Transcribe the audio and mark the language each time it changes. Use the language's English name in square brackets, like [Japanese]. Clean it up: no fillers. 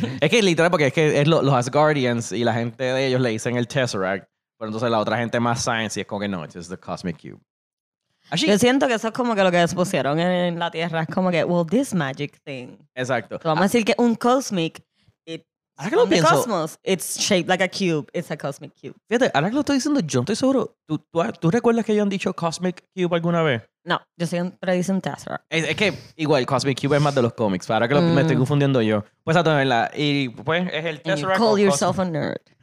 [Spanish] Es que literal, porque es que es los Asgardians y la gente de ellos le dicen el Tesseract, pero entonces la otra gente más science y es como que no, [English] it's just the Cosmic Cube. [Spanish] Yo siento que eso es como que lo que les pusieron en la Tierra, es como que, [English] well, this magic thing. [Spanish] Exacto. Te vamos a decir que un Cosmic, [English] it's from the cosmos, it's shaped like a cube, it's a Cosmic Cube. [Spanish] Fíjate, ahora que lo estoy diciendo, yo estoy seguro, ¿tú recuerdas que ellos han dicho Cosmic Cube alguna vez? No, yo siempre dicen Tesseract. Es que igual, Cosmic Cube es más de los cómics. Ahora que me estoy confundiendo yo. Pues a tu verla. Y pues es el Tesseract. [English] You call yourself a nerd.